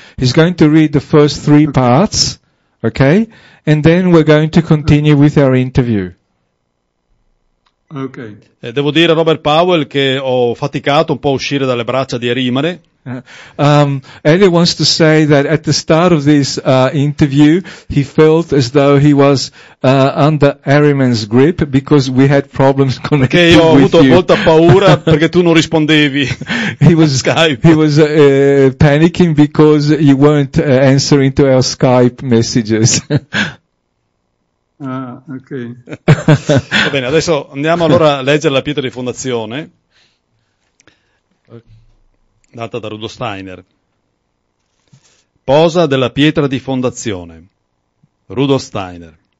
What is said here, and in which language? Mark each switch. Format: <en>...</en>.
<en>He's going to read the first three parts, okay? And then we're going to continue with our interview. Okay.</en> <it>Devo dire a Robert Powell che ho faticato un po' a uscire dalle braccia di Arimane.</it> <en>Elio wants to say that at the start of this interview, he felt as though he was under Ahriman's grip because we had problems connecting with you.</en> <it>Che ho avuto molta paura perché tu non rispondevi.</it> <en>He was panicking because you weren't answering to our Skype messages. Okay.</en> <it>Va bene, adesso andiamo allora a leggere la pietra di fondazione. Data da Rudolf Steiner. Posa della pietra di fondazione. Rudolf Steiner.</it>